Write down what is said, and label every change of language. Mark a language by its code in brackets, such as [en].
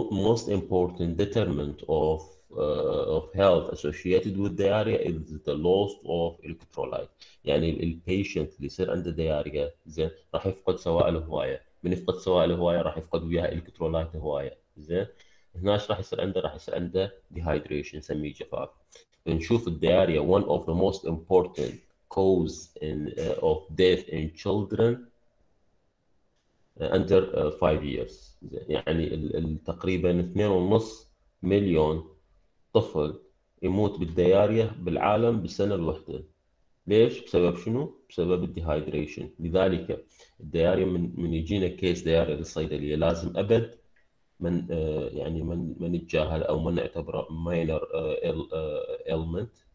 [en] most important determinant of of health associated with diarrhea is the loss of electrolyte. [ar] يعني البيشنت اللي يصير عنده دياريه، زين، راح يفقد سوائل هوايه. من يفقد سوائل هوايه راح يفقد وياها الكترولايت هوايه. زين، هنا ايش راح يصير عنده؟ راح يصير عنده ديهايدريشن، نسميه جفاف. نشوف الدياريه [en] one of the most important cause in, of death in children under 5 years. [ar] يعني تقريبا 2.5 مليون طفل يموت بالدياريه بالعالم بالسنه الواحده. ليش؟ بسبب شنو؟ بسبب الديهايدريشن. لذلك الدياريه من يجينا كيس دياريه للصيدليه لازم ابد من يعني من نتجاهل او من نعتبره ماينر ايلمنت.